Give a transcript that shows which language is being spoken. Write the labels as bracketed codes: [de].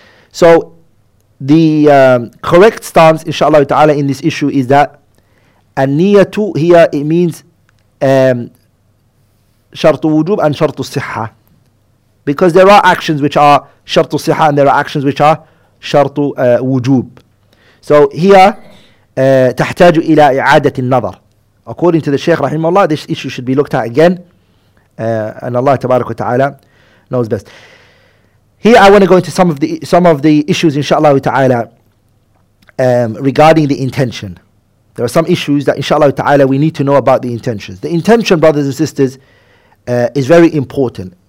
[en] So, the correct stance, inshallah ta'ala, in this issue is that an-niyatu here, it means shartu wujub and shartu siha. Because there are actions which are shartu siha and there are actions which are shartu wujub. So here, [ar] تحتاج إلى إعادة النظر. [en] According to the Shaykh rahimahullah, this issue should be looked at again. And Allah tabarak wa ta'ala knows best. Here I want to go into some of the issues inshaAllah ta'ala regarding the intention. There are some issues that inshaAllah ta'ala we need to know about the intentions. The intention, brothers and sisters, is very important.